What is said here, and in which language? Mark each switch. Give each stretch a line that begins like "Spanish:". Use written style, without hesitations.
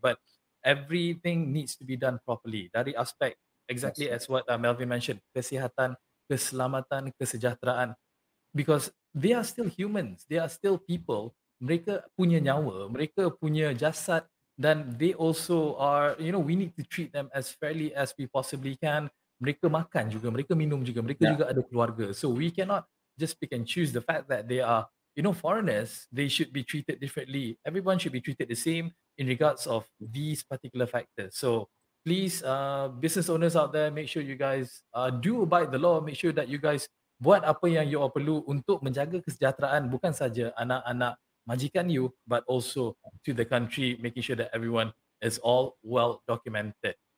English: But everything needs to be done properly.
Malay: Dari aspect,
English: exactly as what Melvin mentioned,
Malay: kesihatan, keselamatan, kesejahteraan.
English: Because they are still humans. They are still people.
Malay: Mereka punya nyawa, mereka punya jasad, dan
English: they also are, you know, we need to treat them as fairly as we possibly can.
Malay: Mereka makan juga, mereka minum juga, mereka juga ada keluarga.
English: So we cannot just pick and choose the fact that they are, you know, foreigners. They should be treated differently. Everyone should be treated the same in regards of these particular factors. So please, business owners out there, make sure you guys do abide the law. Make sure that you guys
Malay: buat apa yang
English: you all
Malay: perlu untuk menjaga kesejahteraan bukan saja anak-anak majikan
English: you, but also to the country, making sure that everyone is all well documented.